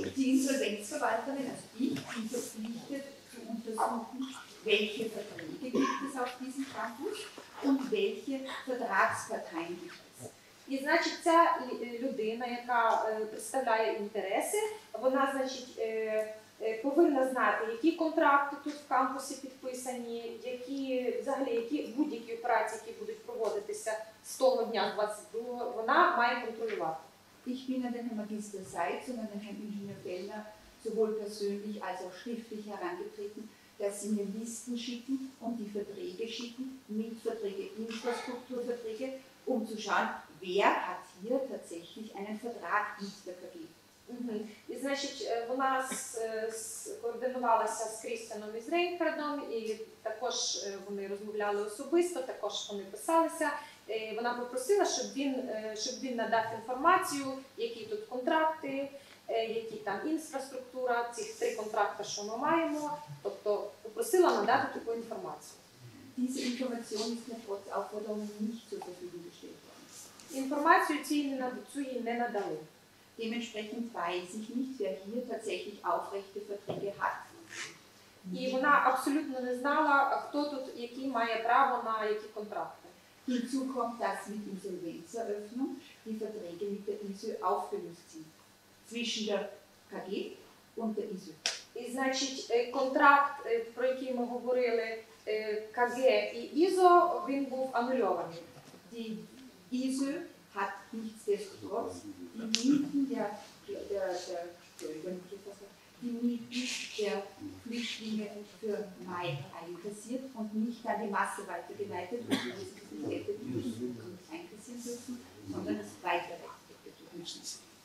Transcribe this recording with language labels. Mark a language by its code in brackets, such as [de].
[de] Die Insolvenzverwalterin, also ich, bin verpflichtet zu untersuchen, welche Verträge gibt es auf diesem Campus und welche Vertragsparteien gibt es. [uk] І, значить, ця людина, яка представляє інтереси, вона, значить, повинна знати, які контракти тут в кампусі підписані, які взагалі які будь-які операції, які будуть проводитися з того дня 22-го, вона має контролювати. [de] Ich bin an den Herrn Magister Seitz und an den Herrn Ingenieur Fellner sowohl persönlich als auch schriftlich herangetreten, dass sie mir Listen schicken und die Verträge schicken, Mietverträge, Infrastrukturverträge, um zu schauen, wer hat hier tatsächlich einen Vertrag nicht vergeben. [uk] І, значить, вона координувалася з Крістіаном із Рейнхардом, і також вони розмовляли особисто, також вони писалися. Вона попросила, щоб він надав інформацію, які тут контракти, які там інфраструктура, цих три контракти, що ми маємо. Тобто попросила надати таку інформацію. [de] Diese Information ist mir trotz Aufforderung nicht zur Verfügung gestellt worden. [uk] Інформацію цієї не надали. [de] Dementsprechend weiß ich nicht, wer hier tatsächlich aufrechte Verträge hat. [uk] І вона абсолютно не знала, хто тут, який має право на які контракти. [de] Hinzu kommt, dass mit Insolvenzeröffnung die Verträge mit der ISÖ aufgelöst sind. Zwischen der KG und der ISÖ. [uk] І, значить, контракт, про який ми говорили, KG і ISO, він був анульований. [de] Die ISÖ hat nichtsdestotrotz die Mieten der Flüchtlinge für Mai einkassiert und nicht an die Masse weitergeleitet, weil sie das Geld nicht einkassieren dürfen, sondern es weiter weggeleitet.